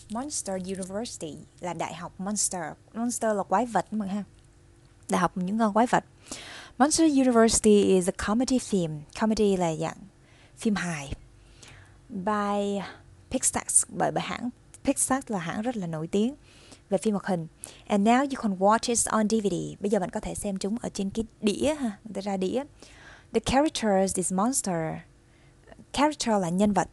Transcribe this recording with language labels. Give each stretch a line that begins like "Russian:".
Vietnamese: Monster University là đại học monster. Monster là quái vật mà ha. Đại học những con quái vật.
English: Monster University is a comedy film. Comedy
Vietnamese: là dạng phim hài. By Pixar, bởi hãng Pixar là hãng rất là nổi tiếng về phim hoạt hình.
English: And now you can watch it on DVD.
Vietnamese: Bây giờ bạn có thể xem chúng ở trên cái đĩa ha, để ra đĩa.
English: The characters is monster.
Vietnamese: Character là nhân vật.